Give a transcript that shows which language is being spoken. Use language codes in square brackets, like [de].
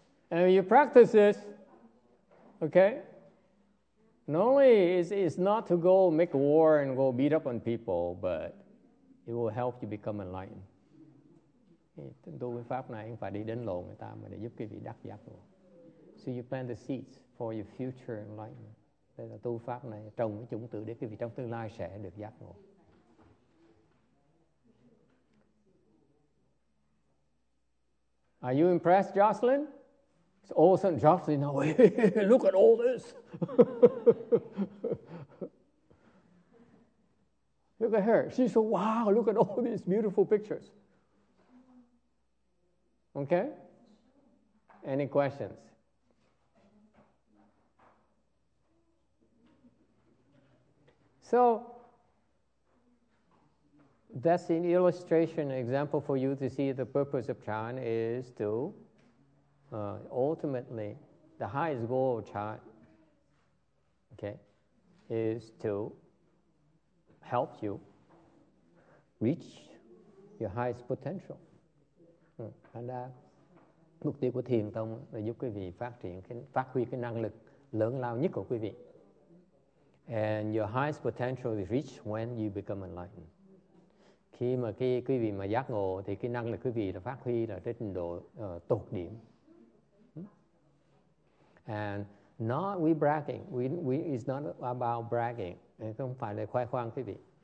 [en] And you practice this, okay? Not only is it not to go make war and go beat up on people, but it will help you become enlightened. [vi] Đối với pháp này không phải đi đánh lộn người ta mà để giúp quý vị đắc giác. [en] So you plant the seeds for your future enlightenment. [vi] Đây là tu pháp này trồng cái chủng tử để quý vị trong tương lai sẽ được giác ngộ. [en] Are you impressed, Jocelyn? So all of a sudden, Jocelyn, now, look at all this. Look at her. She's so, wow, look at all these beautiful pictures. Okay? Any questions? So, that's an illustration, example for you to see the purpose of Chan is to ultimately, the highest goal of Chan, okay, is to help you reach your highest potential. [vi] And mục tiêu của Thiền Tông là giúp quý vị phát huy cái năng lực lớn lao nhất của quý vị. [en] And your highest potential is reached when you become enlightened. [vi] Khi mà quý vị mà giác ngộ thì cái năng lực quý vị là phát huy là tới trình độ tột điểm. [en] And not we bragging. We is not about bragging. [vi] Không phải là khoe khoang quý vị.